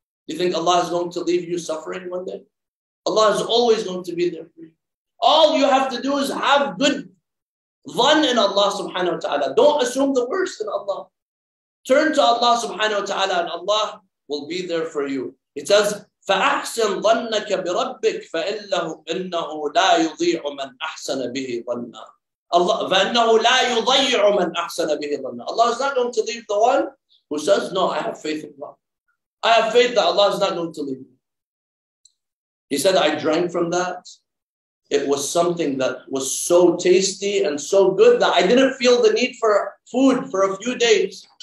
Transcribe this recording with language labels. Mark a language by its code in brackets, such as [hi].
[en] You think Allah is going to leave you suffering one day? Allah is always going to be there for you. All you have to do is have good dhan in Allah subhanahu wa ta'ala. Don't assume the worst in Allah. Turn to Allah subhanahu wa ta'ala and Allah will be there for you. It says, [ar] فَأَحْسِنْ ظَنَّكَ بِرَبِّكَ فَإِنَّهُ إِنَّهُ لَا يُضِيعُ مَنْ أَحْسَنَ بِهِ ظَنَّا. فَإِنَّهُ لَا يُضَيِّعُ مَنْ أَحْسَنَ بِهِ ظَنَّا. [en] Allah is not going to leave the one who says, no, I have faith in Allah. I have faith that Allah is not going to leave me. He said, I drank from that. It was something that was so tasty and so good that I didn't feel the need for food for a few days.